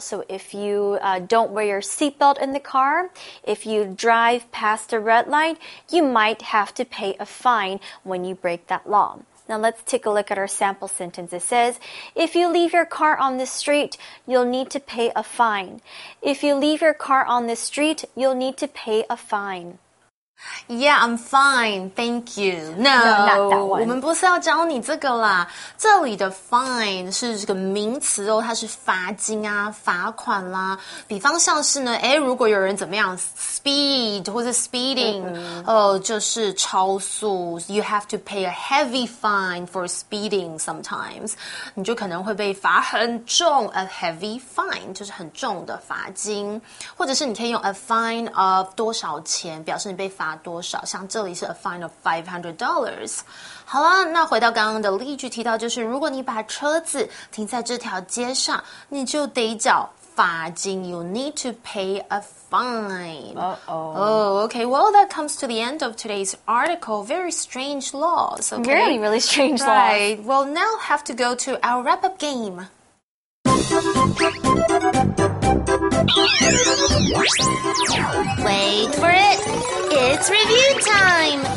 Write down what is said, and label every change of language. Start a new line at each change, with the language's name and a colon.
English: So if you don't wear your seatbelt in the car, if you drive past a red light, you might have to pay a fine when you break that law. Now let's take a look at our sample sentence. It says, if you leave your car on the street, you'll need to pay a fine. If you leave your car on the street, you'll need to pay a fine. Yeah, I'm fine. Thank you. No, no,
Chinese: 我们不是要教你这个啦。这里的 fine 是这个名词哦，它是罚金啊、罚款啦。比方像是呢，诶，如果有人怎么样 speed 或是 speeding, 就是超速 ，
English: you have to pay a heavy fine for speeding.
Chinese: Sometimes 你就可能会被罚很重 ，
English: a heavy fine
Chinese: 就是很重的罚金，或者是你可以用 a fine of 多少钱表示你被罚。多少？像这里是 a fine of $500。好啦，那回到刚刚的例句，提到就是如果你把车子停在这条街上，你就得缴罚金。
English: You need to pay a fine. Okay. Well, that comes to the end of today's article. Very strange laws. Okay. Really, really strange laws. Right. Well, now have to go to our wrap-up game. Wait for it. It's review time.